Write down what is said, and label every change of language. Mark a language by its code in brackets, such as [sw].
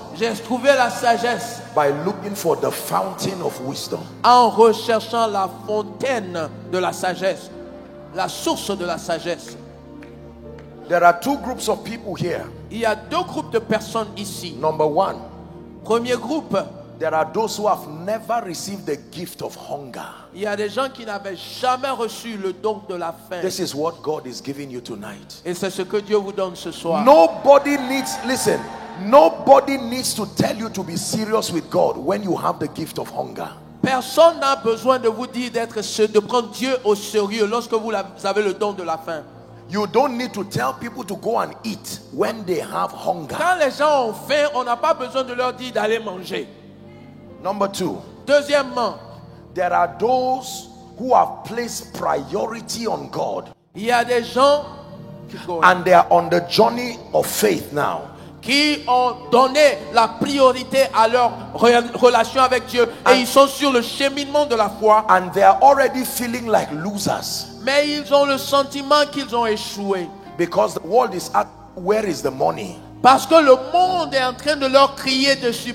[fr] J'ai trouvé la sagesse. [en] By looking for the fountain of wisdom. [fr] En recherchant la fontaine de la sagesse, la source de la sagesse. [en] There are two groups of people here. [fr] Il y a deux groupes de personnes ici. [en] Number one. [fr] Premier groupe. [en] There are those who have never received the gift of hunger. [fr] Il y a des gens qui n'avaient jamais reçu le don de la faim. [en] This is what God is giving you tonight. [fr] Et c'est ce que Dieu vous donne ce soir. [en] Nobody needs, listen. Nobody needs to tell you to be serious with God when you have the gift of hunger. [fr] Personne n'a besoin de vous dire d'être sérieux, de prendre Dieu au sérieux lorsque vous avez le don de la faim. [en] You don't need to tell people to go and eat when they have hunger. [fr] Quand les gens ont faim, on n'a pas besoin de leur dire d'aller manger. [en] Number two. [fr] Deuxièmement, [en] there are those who have placed priority on God. [fr] Il y a des gens [en] and they are on the journey of faith now. [fr] Qui ont donné la priorité à leur relation avec Dieu et ils sont sur le cheminement de la foi. [en] And they are already feeling like losers. [fr] Mais ils ont le sentiment qu'ils ont échoué. [en] Because the world is at, where is the money? [fr] Parce que le monde est en train de leur crier dessus.